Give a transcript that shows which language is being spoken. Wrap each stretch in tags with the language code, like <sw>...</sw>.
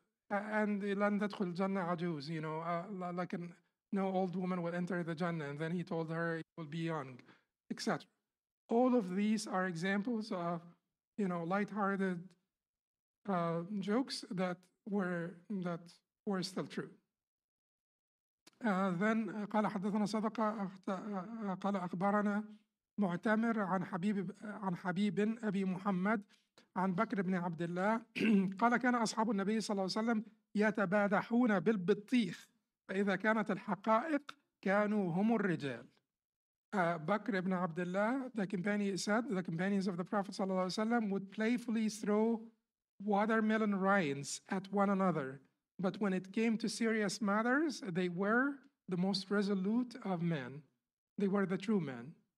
<en>And</en> <ar>لن تدخل الجنة عجوز,</ar> <en>you know, like an no old woman will enter the Jannah, and then he told her it will be young, etc. All of these are examples of, you know, lighthearted jokes that were still true. Then</en> <ar>قال حدثنا صدقة قال أخبرنا معتمر عن حبيب أبي محمد عن بكر بن عبد الله قال كان أصحاب النبي صلى الله عليه وسلم يتبادحون بالبطيخ فإذا كانت الحقائق كانوا هم الرجال.</ar> <en>بكر بن عبد الله, the companions of the Prophet</en> <ar>صلى الله عليه وسلم</ar> <en>would playfully throw watermelon rinds at one another. But when it came to serious matters, they were the most resolute of men. They were the true men.</en>